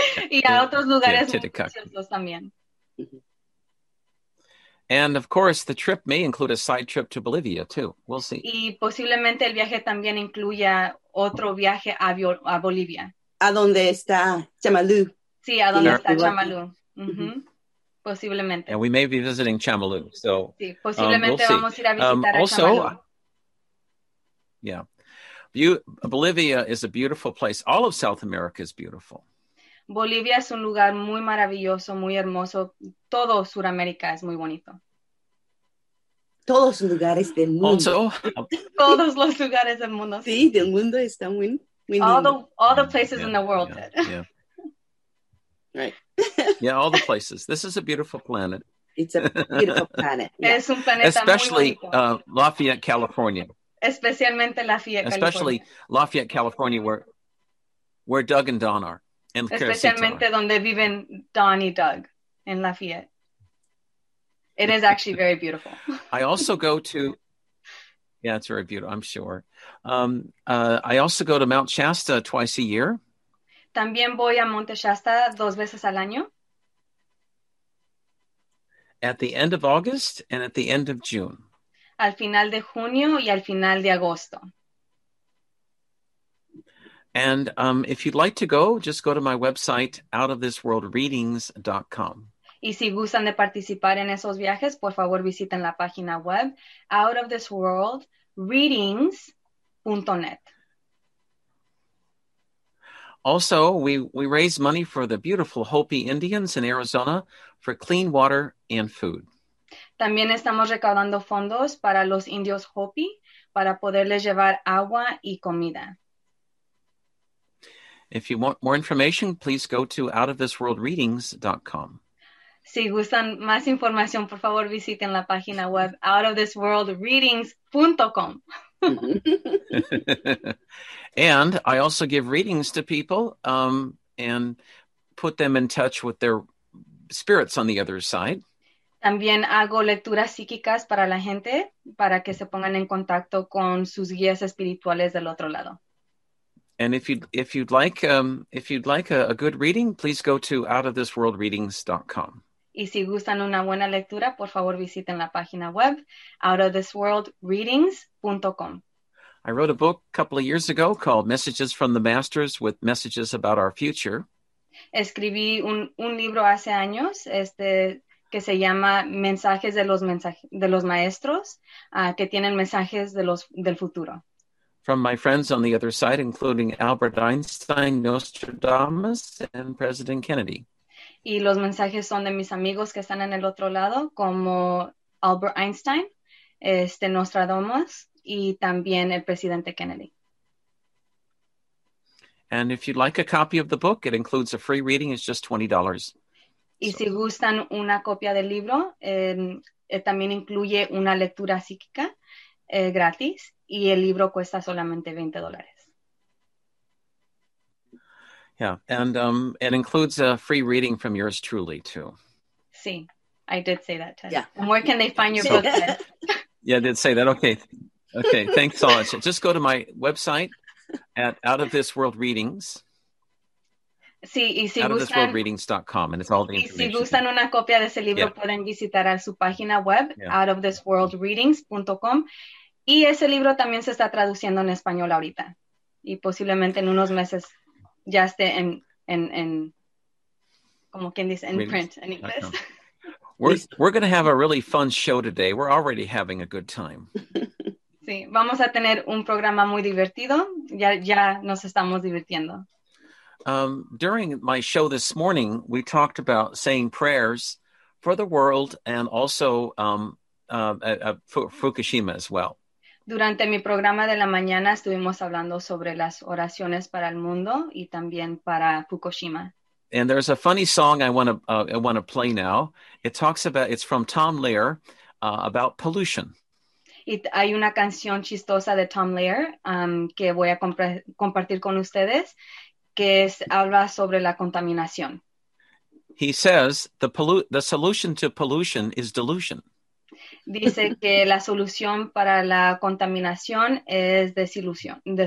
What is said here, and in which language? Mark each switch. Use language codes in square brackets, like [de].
[es] Y a otros lugares muy también. [en] And of course, the trip may include a side trip to Bolivia too. We'll see. [es] Y posiblemente el viaje también incluya otro viaje a Bolivia. ¿A dónde está Chamalu? Sí, ¿a dónde está Chamalu? Mm-hmm. Posiblemente. [en] And we may be visiting Chamalu. So, [es] sí, posiblemente [en] we'll [es] vamos a ir a visitar [en] also, [es] a Chamalu. [en] Yeah. Bolivia is a beautiful place. All of South America is beautiful. [es] Bolivia es un lugar muy maravilloso, muy hermoso. Todo Sudamérica es muy bonito. Todos los lugares del mundo. [en] Also, [es] todos los lugares del mundo. Sí, del mundo está muy lindo. [en] All the places in the world. Right. Yeah, all the places. This is a beautiful planet. It's a beautiful planet. [es] Es un planeta [en] especially, [es] muy bonito. [en] Especially Lafayette, California. [es] Especialmente Lafayette, California. [en] Especially Lafayette, California, where Doug and Don are. [es] Especialmente donde viven Don y Doug [en] in [es] Lafayette. [en] It is actually very beautiful. I also go to, yeah, it's very beautiful, I'm sure. I also go to Mount Shasta twice a year. [es] También voy a Monte Shasta dos veces al año. [en] At the end of August and at the end of June. [es] Al final de junio y al final de agosto. [en] And if you'd like to go, just go to my website, outoftheisworldreadings.com. [es] Y si gustan de participar en esos viajes, por favor visiten la página web, outoftheisworldreadings.net. [en] Also, we raise money for the beautiful Hopi Indians in Arizona for clean water and food. [es] También estamos recaudando fondos para los indios Hopi para poderles llevar agua y comida. [en] If you want more information, please go to outoftheisworldreadings.com. [es] Si gustan más información, por favor, visiten la página web outoftheisworldreadings.com. [en] And I also give readings to people and put them in touch with their spirits on the other side. [es] También hago lecturas psíquicas para la gente para que se pongan en contacto con sus guías espirituales del otro lado. [en] And if you'd like a good reading, please go to outoftheisworldreadings.com. [es] Y si gustan una buena lectura, por favor visiten la página web outoftheisworldreadings.com. [en] I wrote a book a couple of years ago called Messages from the Masters with Messages About Our Future. [es] Escribí un libro hace años, que se llama Mensajes de los Maestros, que tienen mensajes del futuro. [en] From my friends on the other side, including Albert Einstein, Nostradamus, and President Kennedy. [es] Y los mensajes son de mis amigos que están en el otro lado, como Albert Einstein, Nostradamus, y también el presidente Kennedy. [en] And if you'd like a copy of the book, it includes a free reading, it's just $20. [es] Y so. Si gustan una copia del libro, también incluye una lectura psíquica gratis, y el libro cuesta solamente $20. [en] Yeah, and it includes a free reading from yours truly, too. [es] Sí, [en] I did say that, Ted. Yeah. And where can they find your book, Ted? Yeah, I did say that. Okay, thanks so much. Just go to my website at Out of This World Readings. [es] Sí, y si [en] outoftheisworldreadings.com, and it's all the [es] information. Y si gustan una copia de ese libro, yeah, pueden visitar a su página web, yeah, outoftheisworldreadings.com. Y ese libro también se está traduciendo en español ahorita. Y posiblemente en unos meses ya esté en como quien dice, en print, en inglés. [en] We're going to have a really fun show today. We're already having a good time. [es] Sí, vamos a tener un programa muy divertido. Ya nos estamos divirtiendo. [en] During my show this morning, we talked about saying prayers for the world and also Fukushima as well. [es] Durante mi programa de la mañana estuvimos hablando sobre las oraciones para el mundo y también para Fukushima. [en] And there's a funny song I want to play now. It talks about, it's from Tom Lehrer, about pollution. [es] Y hay una canción chistosa de Tom Lehrer que voy a compartir con ustedes, que habla sobre la contaminación. [en] He says, the solution to pollution is dilution. [es] Dice que la solución para la contaminación es desilusión.